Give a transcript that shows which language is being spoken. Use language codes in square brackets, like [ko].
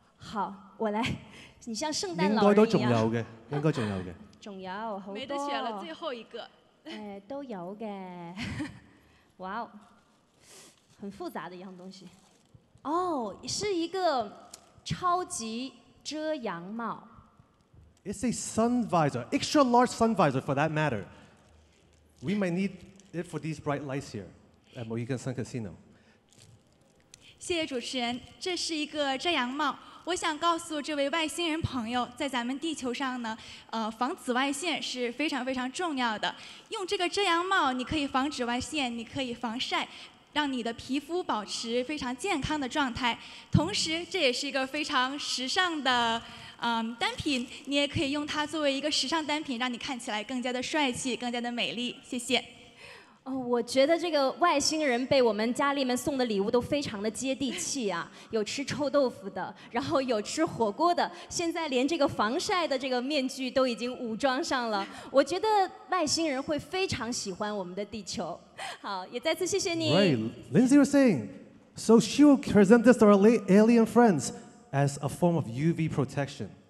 [zh] 好，我来。你像圣诞老人一样。应该都重要的，应该重要的。重要，好多。没得选了，最后一个。都有的。哇哦。很复杂的一样东西，哦，是一个超级遮阳帽。 [en] It's a sun visor, extra large sun visor for that matter. We might need it for these bright lights here at Mohegan Sun Casino. [zh] 谢谢主持人，这是一个遮阳帽。我想告诉这位外星人朋友，在咱们地球上呢，防紫外线是非常非常重要的。用这个遮阳帽，你可以防紫外线，你可以防晒。让你的皮肤保持非常健康的状态，同时这也是一个非常时尚的单品，你也可以用它作为一个时尚单品，让你看起来更加的帅气，更加的美丽。谢谢。哦，我觉得这个外星人被我们家里面送的礼物都非常的接地气啊，有吃臭豆腐的，然后有吃火锅的，现在连这个防晒的这个面具都已经武装上了，我觉得外星人会非常喜欢我们的地球。好，也再次谢谢你。 [en] Right, Lindsay was saying, so she will present this to our alien friends as a form of UV protection.